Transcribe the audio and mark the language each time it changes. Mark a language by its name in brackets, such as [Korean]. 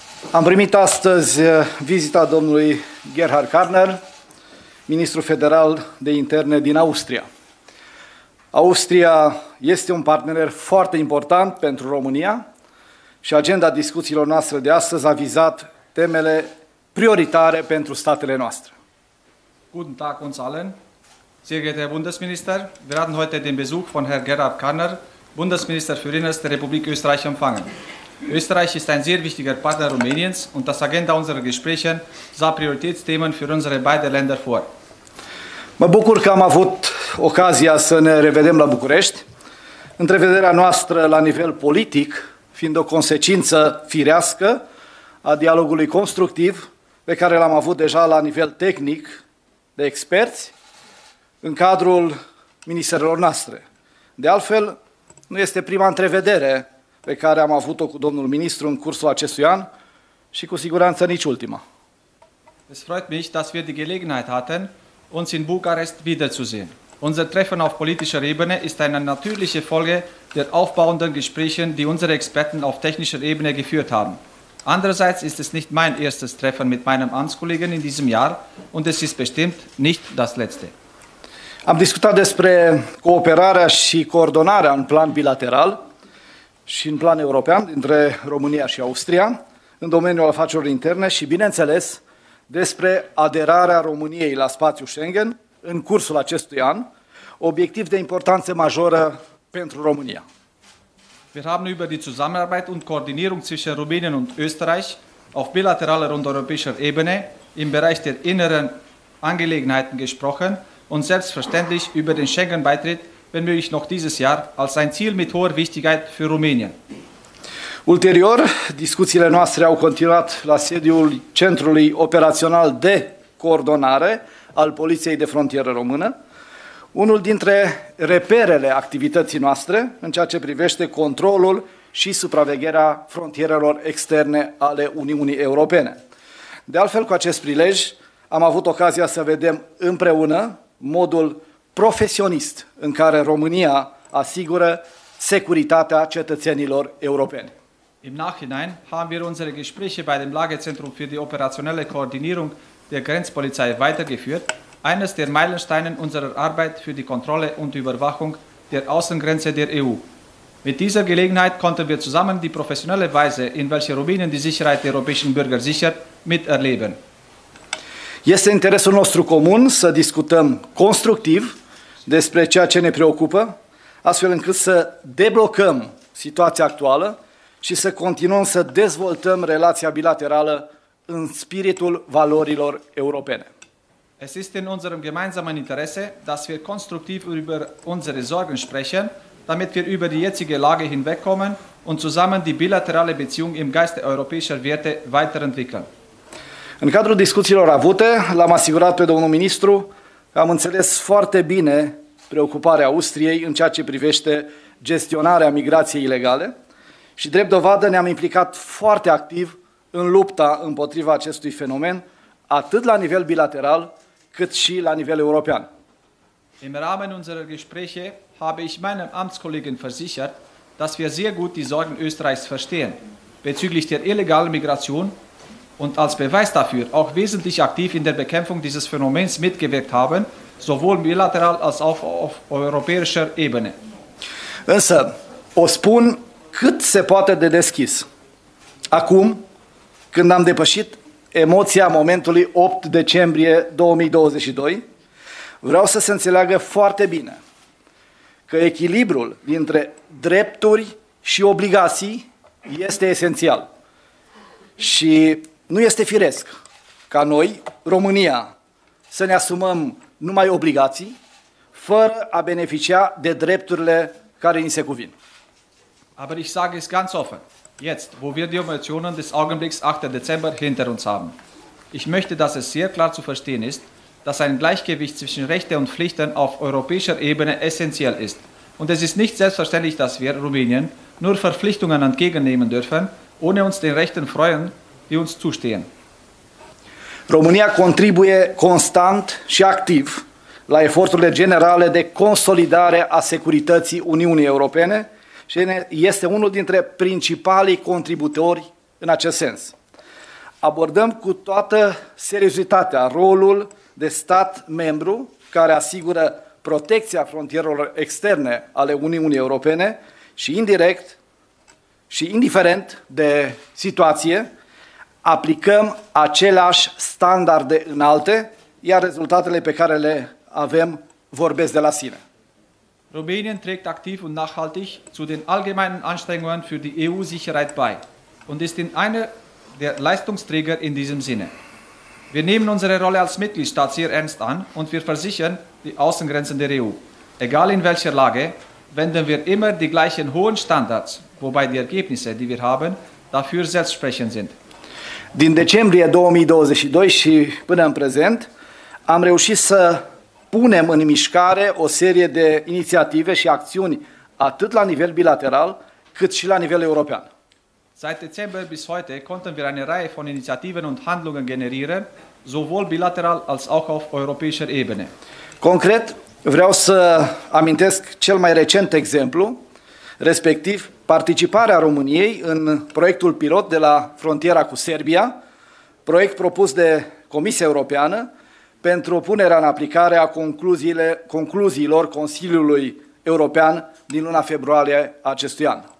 [Romanian] Am primit astăzi vizita domnului Gerhard Karner, ministru federal de interne din Austria. Austria este un partener foarte important pentru România și agenda discuțiilor noastre de astăzi a vizat temele prioritare pentru statele noastre. [German] Guten Tag und allen. Sehr geehrter Herr Bundesminister, wir hatten heute den Besuch von Herrn Gerhard Karner, Bundesminister für Inneres der Republik Österreich empfangen. Österreich ist ein sehr wichtiger Partner Rumäniens und das Agenda unserer Gespräche sah Prioritätsthemen für unsere beide Länder vor. [Romanian] Mă bucur că am avut ocazia să ne revedem la București. Întrevederea noastră la nivel politic, fiind o consecință firească a dialogului constructiv pe care l-am avut deja la nivel tehnic de experți în cadrul ministerelor noastre. De altfel, nu este prima întrevedere pe care am avut-o cu domnul ministru în cursul acestui an și cu siguranță nici ultima. [German] Es freut mich, dass wir die Gelegenheit hatten, uns in Bukarest wiederzusehen. Unser Treffen auf politischer Ebene ist eine natürliche Folge der aufbauenden Gespräche, die unsere Experten auf technischer Ebene geführt haben. Andererseits ist es nicht mein erstes Treffen mit meinem Amtskollegen in diesem Jahr und es ist bestimmt nicht das letzte. [Romanian] Am discutat despre cooperarea și coordonarea în plan bilateral și în plan european dintre România și Austria, în domeniul afacerilor interne și, bineînțeles, despre aderarea României la spațiul Schengen în cursul acestui an, obiectiv de importanță majoră pentru România. [German] Wir haben über die Zusammenarbeit und Koordinierung zwischen Rumänien und Österreich auf bilateraler und europäischer Ebene im Bereich der inneren Angelegenheiten gesprochen und selbstverständlich über den Schengen-Beitritt, wenn möglich noch dieses Jahr, als ein Ziel mit hoher Wichtigkeit für Rumänien. [Romanian] Ulterior, discuțiile noastre au continuat la sediul Centrului Operațional de Coordonare al Poliției de Frontieră Română, unul dintre reperele activității noastre în ceea ce privește controlul și supravegherea frontierelor externe ale Uniunii Europene. De altfel, cu acest prilej, am avut ocazia să vedem împreună modul profesionist în care România asigură securitatea cetățenilor europeni. [German] Im Nachhinein haben wir unsere Gespräche bei dem Lagezentrum für die operationelle Koordinierung der Grenzpolizei weitergeführt, eines der Meilensteine unserer Arbeit für die Kontrolle und Überwachung der Außengrenze der EU. Mit dieser Gelegenheit konnten wir zusammen die professionelle Weise, in welcher Rumänien die Sicherheit der europäischen Bürger sichert, miterleben. [Romanian] Este interesul nostru comun să discutăm constructiv despre ceea ce ne preocupă, astfel încât să deblocăm situația actuală și să continuăm să dezvoltăm relația bilaterală în spiritul valorilor europene. [German] Es ist in unserem gemeinsamen Interesse, dass wir konstruktiv über unsere Sorgen sprechen, damit wir über die jetzige Lage hinwegkommen und zusammen die bilaterale Beziehung im Geiste europäischer Werte weiterentwickeln. [Romanian] În cadrul discuțiilor avute, l-am asigurat pe domnul ministru că am înțeles foarte bine preocuparea Austriei în ceea ce privește gestionarea migrației ilegale și, drept dovadă, ne-am implicat foarte activ în lupta împotriva acestui fenomen, atât la nivel bilateral, cât și la nivel european. [German] Im Rahmen unserer Gespräche habe ich meinem Amtskollegen versichert, dass wir sehr gut die Sorgen Österreichs verstehen bezüglich der illegalen Migration und als Beweis dafür auch wesentlich aktiv in der Bekämpfung dieses Phänomens mitgewirkt haben, sowohl bilateral als auch auf europäischer Ebene. [Romanian] Însă, o spun cât se poate de deschis. Acum, când am depășit emoția momentului 8 decembrie 2022, vreau să se înțeleagă foarte bine că echilibrul dintre drepturi și obligații este esențial. Și nu este firesc ca noi, România, să ne asumăm numai obligații fără a beneficia de drepturile care ni se cuvin. [German] Aber ich sage es ganz offen. Jetzt, wo wir die Emotionen des Augenblicks 8. Dezember hinter uns haben. Ich möchte, dass es sehr klar zu verstehen ist, dass ein Gleichgewicht zwischen Rechten und Pflichten auf europäischer Ebene essentiell ist. Und es ist nicht selbstverständlich, dass wir, Rumänien, nur Verpflichtungen entgegennehmen dürfen, ohne uns den Rechten freuen, die uns zustehen. [Romanian] România contribuie constant și activ la eforturile generale de consolidare a securității Uniunii Europene, și este unul dintre principalii contributori în acest sens. Abordăm cu toată seriozitatea rolul de stat membru care asigură protecția frontierelor externe ale Uniunii Europene și indirect și indiferent de situație, aplicăm aceleași standarde înalte, iar rezultatele pe care le avem vorbesc de la sine. [German] Rumänien trägt aktiv und nachhaltig zu den allgemeinen Anstrengungen für die EU-Sicherheit bei und ist einer der Leistungsträger in diesem Sinne. Wir nehmen unsere Rolle als Mitgliedstaat sehr ernst an und wir versichern die Außengrenzen der EU. Egal in welcher Lage, wenden wir immer die gleichen hohen Standards, wobei die Ergebnisse, die wir haben, dafür selbstsprechend sind. [Romanian] Din decembrie 2022 și până în prezent, am reușit să punem în mișcare o serie de inițiative și acțiuni atât la nivel bilateral, cât și la nivel european. [German] Seit Dezember bis heute konnten wir eine Reihe von Initiativen und Handlungen generieren, sowohl bilateral als auch auf europäischer Ebene. [Romanian] Concret, vreau să amintesc cel mai recent exemplu respectiv participarea României în proiectul pilot de la frontiera cu Serbia, proiect propus de Comisia Europeană pentru punerea în aplicare a concluziilor Consiliului European din luna februarie acestui an.